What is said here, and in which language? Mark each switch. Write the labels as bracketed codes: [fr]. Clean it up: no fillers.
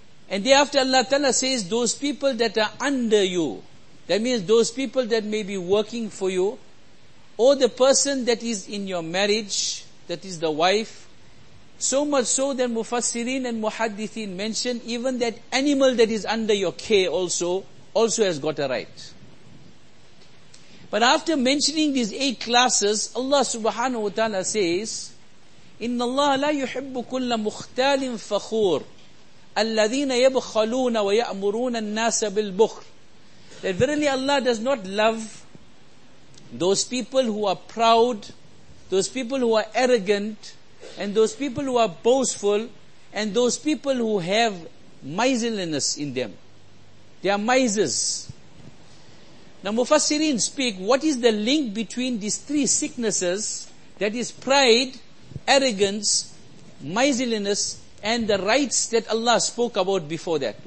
[en] And thereafter Allah Ta'ala says, those people that are under you, that means those people that may be working for you, or the person that is in your marriage, that is the wife, so much so that Mufassirin and Muhaddithin mention even that animal that is under your care also has got a right. But after mentioning these eight classes, Allah subhanahu wa ta'ala says, [ar] إِنَّ اللَّهَ لَا يُحِبُّ كُلَّ مُخْتَالٍ فَخُورٍ الَّذِينَ يَبْخَلُونَ وَيَأْمُرُونَ النَّاسَ بِالْبُخْرِ. [en] That verily Allah does not love those people who are proud, those people who are arrogant, and those people who are boastful, and those people who have miserliness in them. They are misers. Now Mufassirin speak, what is the link between these three sicknesses, that is pride, arrogance, miserliness, and the rights that Allah spoke about before that?